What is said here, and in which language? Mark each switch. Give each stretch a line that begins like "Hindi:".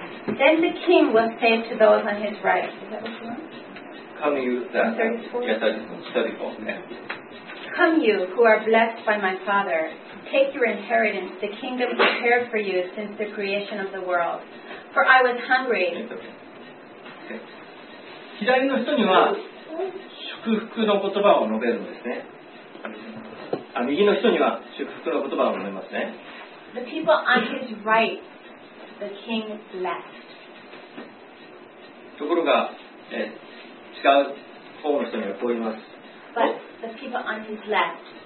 English: Then the king will say to those on his right. Is that what you want? Come you that. 34. Yes, I just want 34. Okay. Come you who are blessed by my father. Take your inheritance, the kingdom prepared for you since the creation of the world. For I was hungry.
Japanese: 左の人には祝福の言葉を述べるんですね。あ、右の人には祝福の言葉を述べますね。
English: The people on his right, the king left.
Japanese: ところが、違う方の人にはこう言います。
English: But the people on his left.